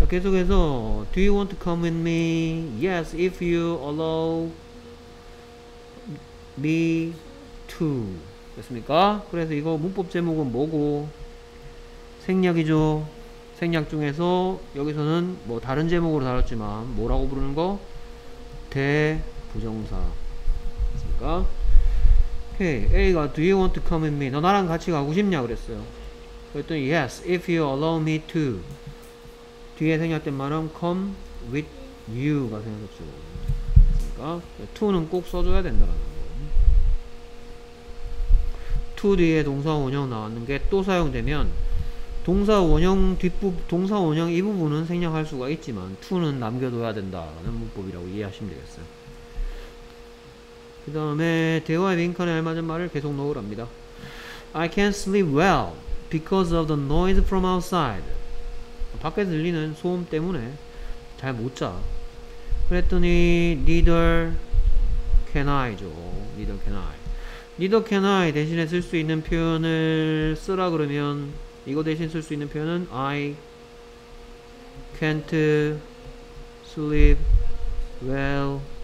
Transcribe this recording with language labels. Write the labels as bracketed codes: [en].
[ko] 자, 계속해서 [en] Do you want to come with me? Yes, if you allow me to. [ko] 됐습니까? 그래서 이거 문법 제목은 뭐고? 생략이죠. 생략 중에서 여기서는 뭐 다른 제목으로 다뤘지만 뭐라고 부르는 거? 대부정사. 됐습니까? [en] Okay, A가 Do you want to come with me? [ko] 너 나랑 같이 가고 싶냐? 그랬어요. 그랬더니 [en] Yes, if you allow me to. [ko] 뒤에 생략된 말은 [en] come with you [ko] 가 생겼죠. 그러니까 to는 꼭 써줘야 된다라는 거. to 뒤에 동사 원형 나왔는 게 또 사용되면 동사 원형 뒷부분 동사 원형 이 부분은 생략할 수가 있지만 to는 남겨둬야 된다라는 문법이라고 이해하시면 되겠어요. 그 다음에 대화의 빈칸에 알맞은 말을 계속 넣으랍니다. [en] I can't sleep well because of the noise from outside. [ko] 밖에 들리는 소음 때문에 잘 못 자. 그랬더니 [en] neither can I [ko] 죠. neither can I. [en] neither can I [ko] 대신에 쓸 수 있는 표현을 쓰라 그러면 이거 대신 쓸 수 있는 표현은 [en] I can't sleep well.